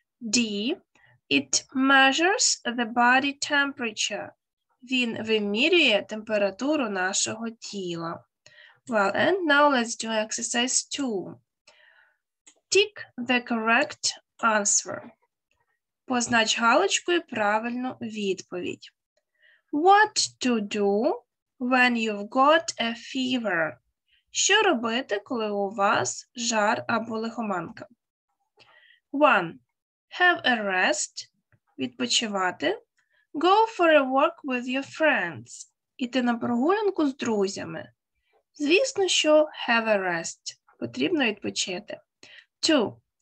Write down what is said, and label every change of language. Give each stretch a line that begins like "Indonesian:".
English: D. It measures the body temperature.
Ukrainian: Він вимірює температуру нашого тіла.
English: Well, and now let's do exercise 2. Tick the correct answer.
Ukrainian: Познач галочкою правильну відповідь.
English: What to do when you've got a fever?
Ukrainian: Що робити, коли у вас жар або лихоманка?
English: 1. Have a rest.
Ukrainian: Відпочивати.
English: Go for a walk with your friends.
Ukrainian: Іти на прогулянку з друзями. Звісно, що
English: have a rest.
Ukrainian: Потрібно відпочити. 2.